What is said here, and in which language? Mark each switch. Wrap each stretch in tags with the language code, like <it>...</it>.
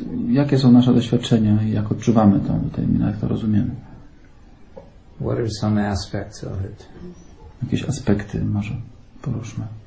<pl>Jakie są nasze doświadczenia i jak odczuwamy tą determinację, jak to rozumiemy?</pl> <en>What are some aspects of it?</en> <pl>Jakieś aspekty może poruszmy.</pl>